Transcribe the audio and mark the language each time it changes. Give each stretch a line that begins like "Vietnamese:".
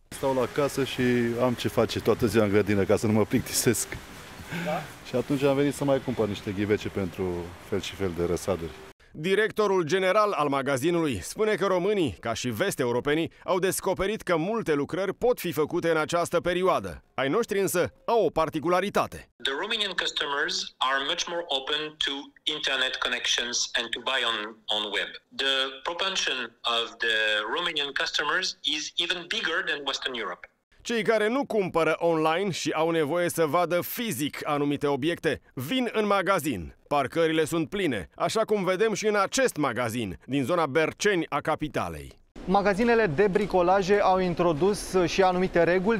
Romanian: Stau la casă și am ce face toată ziua în grădină ca să nu mă plictisesc. Da? Și atunci am venit să mai cumpăr niște ghivece pentru fel și fel de răsaduri. Directorul general al magazinului spune că românii, ca și vest-europenii, au descoperit că multe lucrări pot fi făcute în această perioadă. Ai noștri însă au o particularitate.
English: The Romanian customers are much more open to internet connections and to buy on web. The propension of the Romanian customers is even bigger than Western Europe.
Romanian: Cei care nu cumpără online și au nevoie să vadă fizic anumite obiecte, vin în magazin. Parcările sunt pline, așa cum vedem și în acest magazin, din zona Berceni a capitalei. Magazinele de bricolaje au introdus și anumite reguli.